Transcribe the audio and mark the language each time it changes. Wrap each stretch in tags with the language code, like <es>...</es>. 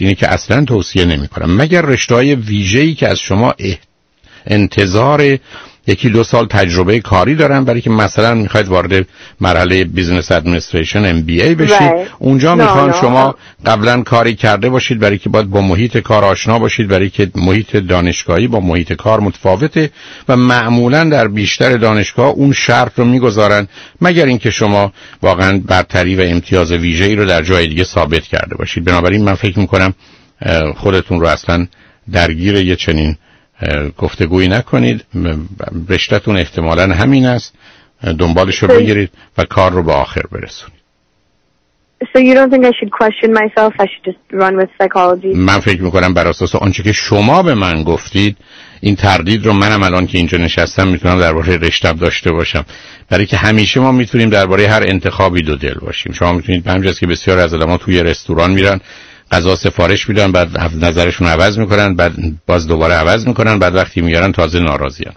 <fa>اینی که اصلا توصیه نمی‌کنم، مگر رشته‌های ویژه‌ای که از شما انتظار یکی دو سال تجربه کاری دارن، برای که مثلا میخواید وارد مرحله بیزنس ادمنستریشن MBA بشید، اونجا میخوان شما قبلا کاری کرده باشید، برای که باید با محیط کار آشنا باشید، برای که محیط دانشگاهی با محیط کار متفاوته و معمولا در بیشتر دانشگاه اون شرط رو میگذارن، مگر اینکه شما واقعا برتری و امتیاز ویژه‌ای رو در جای دیگه ثابت کرده باشید. بنابراین من فکر میکنم خودتون رو اصلا درگیر یه چنین گفتگویی نکنید، رشتتون احتمالاً همین است، دنبالش رو بگیرید و کار رو به آخر برسونید.</fa> <en>So you don't think I should question myself? I should just run with psychology.</en> <fa>من فکر میکنم بر اساس آنچه که شما به من گفتید، این تردید رو منم الان که اینجا نشستم میتونم درباره رشتم داشته باشم، برای که همیشه ما میتونیم درباره هر انتخابی دو دل باشیم. شما میتونید به همجاست که بسیار از آدم‌ها توی رستوران میرن غذا سفارش میدن، بعد نظرشون عوض میکنن، بعد باز دوباره عوض میکنن، بعد وقتی میارن تازه ناراضیان.</fa>